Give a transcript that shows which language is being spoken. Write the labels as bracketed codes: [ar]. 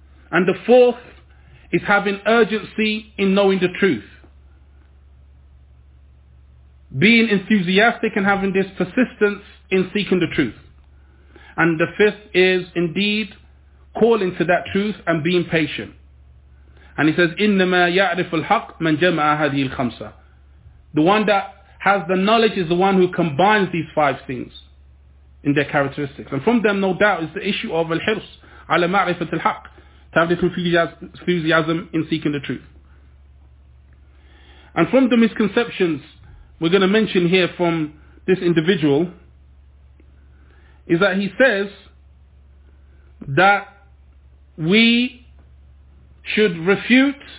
[en] And the fourth is having urgency in knowing the truth, being enthusiastic and having this persistence in seeking the truth. And the fifth is indeed calling to that truth and being patient. And he says, [ar] إِنَّمَا يَعْرِفُ الْحَقِّ مَنْ جَمْعَ هَذِهِ الْخَمْسَةِ. [en] The one that has the knowledge is the one who combines these five things in their characteristics. And from them, no doubt, is the issue of [ar] الْحِرْص عَلَى مَعْرِفَةِ الْحَقِّ, [en] to have this enthusiasm in seeking the truth. And from the misconceptions we're going to mention here from this individual is that he says that we should refute